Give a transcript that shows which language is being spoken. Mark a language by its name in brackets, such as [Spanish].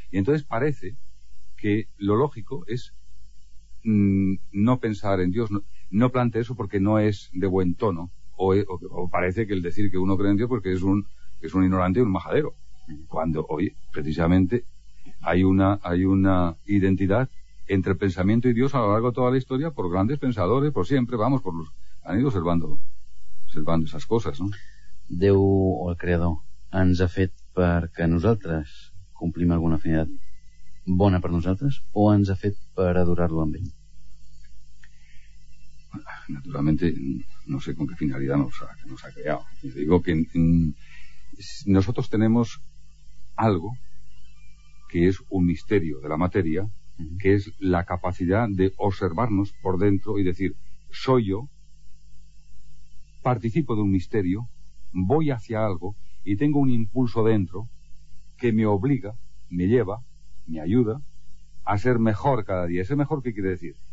[Spanish] Y entonces parece que lo lógico es no pensar en Dios, no plantear eso porque no es de buen tono, o parece que el decir que uno cree en Dios porque es un ignorante y un majadero. Cuando hoy, precisamente, hay una identidad entre el pensamiento y Dios a lo largo de toda la historia, por grandes pensadores, por siempre, vamos, por los han ido observando esas cosas, ¿no? [Catalan] Déu o el creador ens ha fet perquè nosaltres complim alguna finalitat bona per nosaltres, o ens ha fet per adorar-lo amb ell? [Spanish] Naturalmente, no sé con qué finalidad nos ha creado. Y digo que nosotros tenemos algo que es un misterio de la materia, que es la capacidad de observarnos por dentro y decir, soy yo, participo de un misterio, voy hacia algo y tengo un impulso dentro que me obliga, me lleva, me ayuda a ser mejor cada día. ¿Ser mejor qué quiere decir?